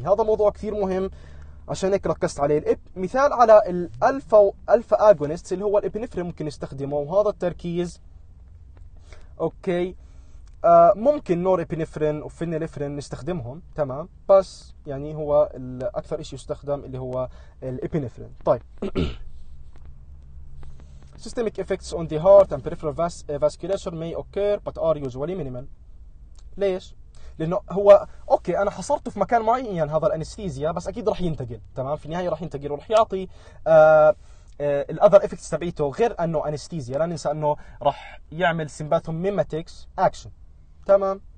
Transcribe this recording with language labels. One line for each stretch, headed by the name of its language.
Arabic: هذا موضوع كثير مهم عشان هيك ركزت عليه. مثال على الالفا اغونست اللي هو الابنفرين، ممكن نستخدمه وهذا التركيز، اوكي. ممكن نور ابينفرين وفينيلفرين نستخدمهم، تمام، بس يعني هو الأكثر إشي يستخدم اللي هو الابينفرين.
English: طيب systemic effects on the heart and peripheral vasculature may occur but are usually minimal.
Arabic: ليش؟ لأنه هو أوكي أنا حصرته في مكان معين يعني هذا الأنستيزيا، بس أكيد راح ينتقل، تمام، في النهاية راح ينتقل وراح يعطي الأذر إفكتس تبعيته غير أنه أنستيزيا. لا ننسى أنه راح يعمل سيمباثوم ميماتيكس أكشن، تمام.